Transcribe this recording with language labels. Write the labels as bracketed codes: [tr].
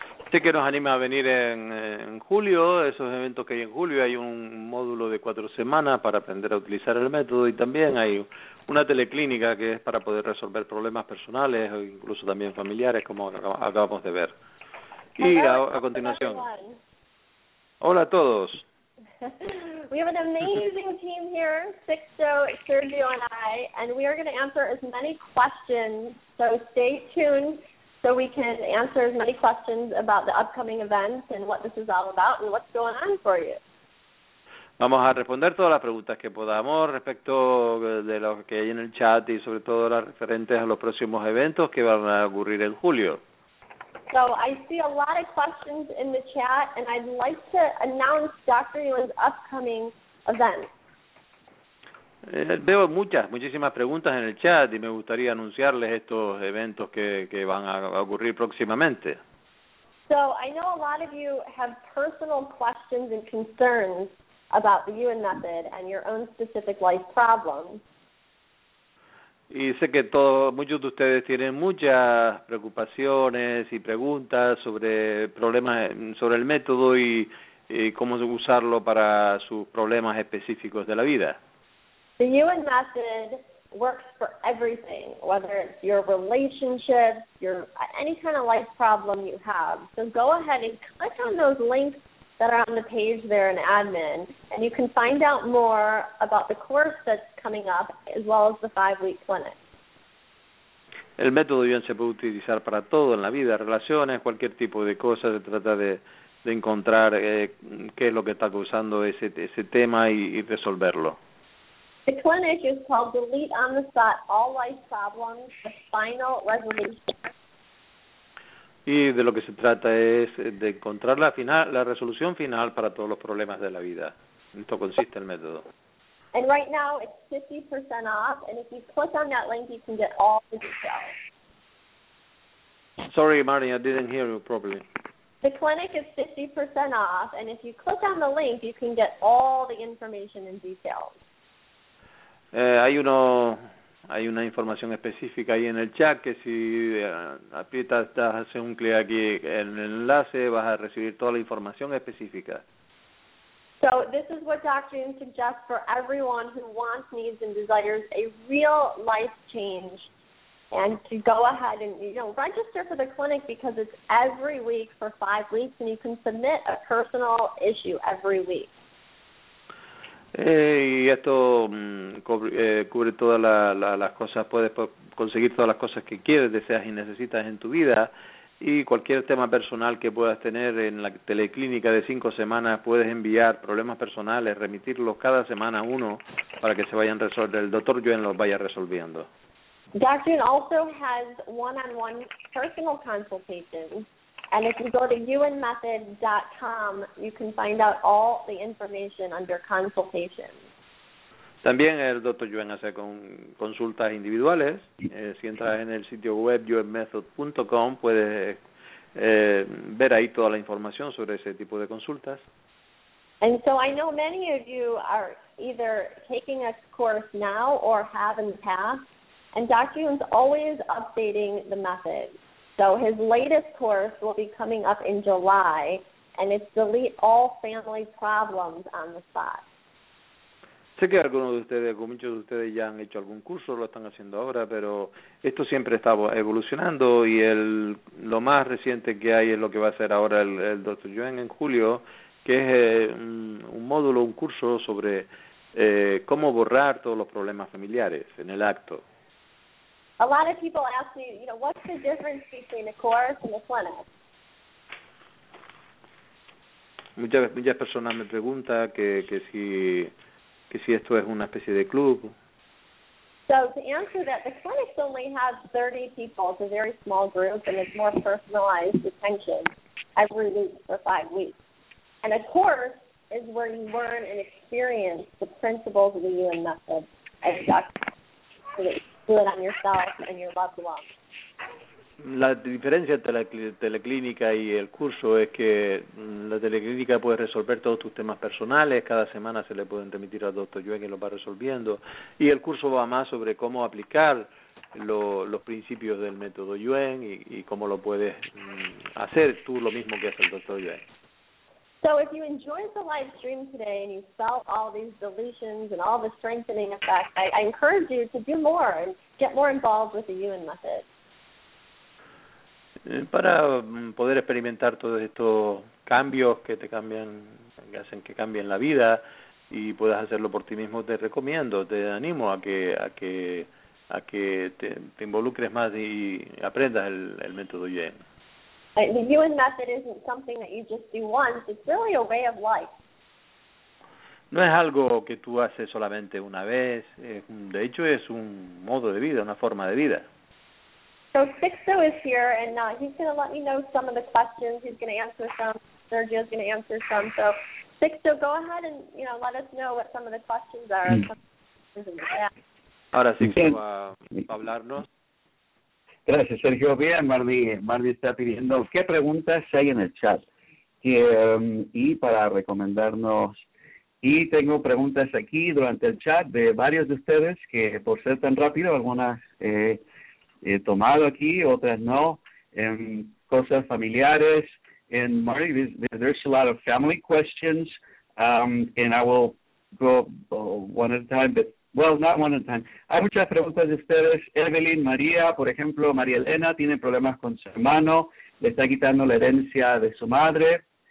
[es] Sí, que nos anima a venir en julio, esos eventos que hay en julio. Hay un módulo de 4 semanas para aprender a utilizar el método y también hay una teleclínica que es para poder resolver problemas personales o incluso también familiares, como acabamos de ver. Y a continuación. Hola a todos. [en] We have an amazing team here, Sixto, Sergio, and I, and we are going to answer as many questions, so stay tuned so we can answer as many questions about the upcoming events and what this is all about and what's going on for you. [es] Vamos a responder todas las preguntas que podamos respecto de lo que hay en el chat y sobre todo las referentes a los próximos eventos que van a ocurrir en julio. [en] So I see a lot of questions in the chat, and I'd like to announce Dr. Yuan's upcoming event. [es] Veo muchísimas preguntas en el chat, y me gustaría anunciarles estos eventos que van a ocurrir próximamente. [en] So I know a lot of you have personal questions and concerns about the Yuan method and your own specific life problems. [es] Y sé que muchos de ustedes tienen muchas preocupaciones y preguntas sobre problemas, sobre el método y cómo usarlo para sus problemas específicos de la vida. [en] The Yuan method works for everything, whether it's your relationships, your any kind of life problem you have. So go ahead and click on those links that are on the page there in admin, and you can find out more about the course that's coming up, as well as the 5-week clinic. [es] El método Yuan se puede utilizar para todo en la vida, relaciones, cualquier tipo de cosas. Se trata de encontrar qué es lo que está causando ese tema y resolverlo. [en] The clinic is called Delete on the Spot All Life Problems, the Final Resolution. [es] Y de lo que se trata es de encontrar la resolución final para todos los problemas de la vida. En esto consiste el método. [en] And right now it's 50% off, and if you click on that link, you can get all the details. Sorry, Marty, I didn't hear you properly. The clinic is 50% off, and if you click on the link, you can get all the information and details. [es] Hay una información específica ahí en el chat que si aprietas, haces un clic aquí en el enlace, vas a recibir toda la información específica. [en] So this is what Dr. Yuan suggests for everyone who wants, needs, and desires a real life change, and to go ahead and register for the clinic because it's every week for 5 weeks, and you can submit a personal issue every week. [es] Y esto cubre todas las cosas, puedes conseguir todas las cosas que quieres, deseas y necesitas en tu vida, y cualquier tema personal que puedas tener en la teleclínica de 5 semanas, puedes enviar problemas personales, remitirlos cada semana uno para que se vayan resolviendo, el doctor Yuan los vaya resolviendo. [en] Dr. Yuan also has one-on-one personal consultations, and if you go to yuanmethod.com, you can find out all the information under consultations. [es] También el Dr. Yuan hace consultas individuales. Si entras en el sitio web yuanmethod.com, puedes ver ahí toda la información sobre ese tipo de consultas. [en] And so I know many of you are either taking a course now or have in the past, and Dr. Yuan's always updating the method. So his latest course will be coming up in July, and it's Delete All Family Problems on the Spot. [es] Sé que algunos de ustedes, o muchos de ustedes, ya han hecho algún curso, lo están haciendo ahora, pero esto siempre está evolucionando, y lo más reciente que hay es lo que va a hacer ahora el Dr. Yuan en julio, que es un módulo, un curso sobre cómo borrar todos los problemas familiares en el acto. [en] a lot of people ask me, you know, what's the difference between a course and a clinic? [es] Muchas personas me preguntan que si esto es una especie de club. [en] So to answer that, the clinics only have 30 people. It's a very small group, and it's more personalized attention every week for 5 weeks. And a course is where you learn and experience the principles of the UN method and do it on yourself and your loved ones. [es] La diferencia entre la teleclínica y el curso es que la teleclínica puede resolver todos tus temas personales, cada semana se le pueden transmitir al doctor Yuen y lo va resolviendo, y el curso va más sobre cómo aplicar los principios del método Yuen y cómo lo puedes hacer tú lo mismo que hace el doctor Yuen. [en] So if you enjoyed the live stream today and you felt all these deletions and all the strengthening effects, I encourage you to do more and get more involved with the Yuen method. [es] Para poder experimentar todos estos cambios que te cambian, que hacen que cambien la vida y puedas hacerlo por ti mismo, te recomiendo, te animo a que te involucres más y aprendas el método Yuen. [en] The Yuen method isn't something that you just do once. It's really a way of life. [es] No es algo que tú haces solamente una vez. De hecho, es un modo de vida, una forma de vida. [en] So Sixto is here, and he's going to let me know some of the questions. He's going to answer some. Sergio's going to answer some. So Sixto, go ahead and, you know, let us know what some of the questions are. [es] Ahora Sixto va a hablarnos. Gracias, Sergio. Bien, Marley está pidiendo qué preguntas hay en el chat y para recomendarnos. Y tengo preguntas aquí durante el chat de varios de ustedes que, por ser tan rápido, algunas he tomado aquí, otras no, en cosas familiares. [en] And Marty, there's a lot of family questions, and I will go one at a time, but, well, not one at a time. [es] Hay muchas preguntas de ustedes. Evelyn, María, por ejemplo, María Elena tiene problemas con su hermano, le está quitando la herencia de su madre.